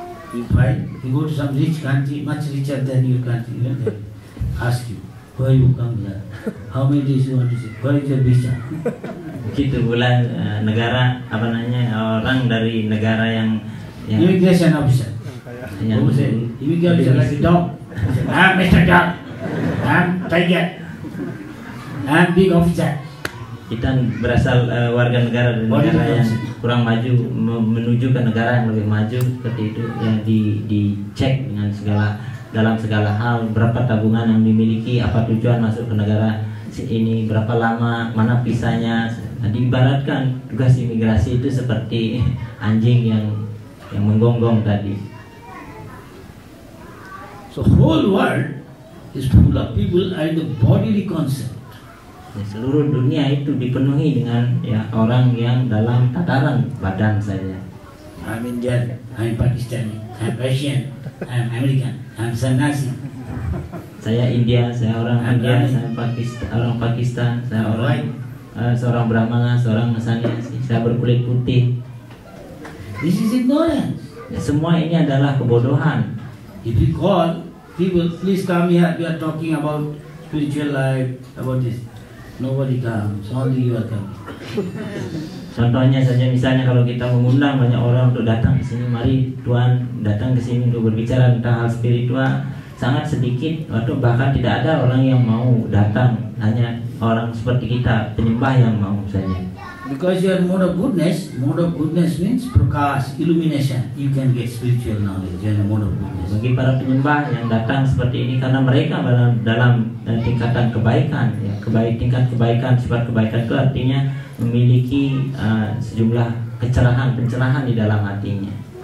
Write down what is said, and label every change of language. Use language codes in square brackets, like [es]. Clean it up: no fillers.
[en] You find you go to some rich country, much richer than your country, you know, ask you. Why you come here? How many days you want to see? Why is your visa? [id] Begitu pula negara orang dari negara yang [en] immigration officer. [id] Yang bisa [en] immigration officer like a dog. I'm Mr. Dog. I'm tiger. I'm big officer. [id] Kita berasal warga negara dari negara yang kurang maju menuju ke negara yang lebih maju, seperti itu yang dicek dengan segala dalam segala hal, berapa tabungan yang dimiliki, apa tujuan masuk ke negara ini, berapa lama, mana visanya. Nah, diibaratkan tugas imigrasi itu seperti anjing yang menggonggong tadi. [en] So whole world is full of people and the bodily concept. [id] Ya, seluruh dunia itu dipenuhi dengan ya orang yang dalam tataran badan saja. [en] I'm Indian, I'm Pakistani, I'm Russian, I'm American, I'm Sanasi. [id] Saya India, saya orang India, saya Pakistan, saya orang seorang Brahmana, seorang Sanasi, saya berkulit putih. [en] This is ignorance. [id] Ya, semua ini adalah kebodohan. [en] If you call people, please come here, we are talking about spiritual life, about this. Nobody comes, only you are coming. [id] Contohnya saja misalnya kalau kita mengundang banyak orang untuk datang ke sini, mari Tuhan datang ke sini untuk berbicara tentang hal spiritual, sangat sedikit atau bahkan tidak ada orang yang mau datang, hanya orang seperti kita penyembah yang mau saja. [en] Because your mode of goodness means prakash, illumination. You can get spiritual knowledge in the mode of goodness. [id] Bagi para penyembah yang datang seperti ini karena mereka dalam tingkatan kebaikan, ya, tingkat kebaikan, sifat kebaikan itu artinya memiliki sejumlah kecerahan, pencerahan di dalam hatinya.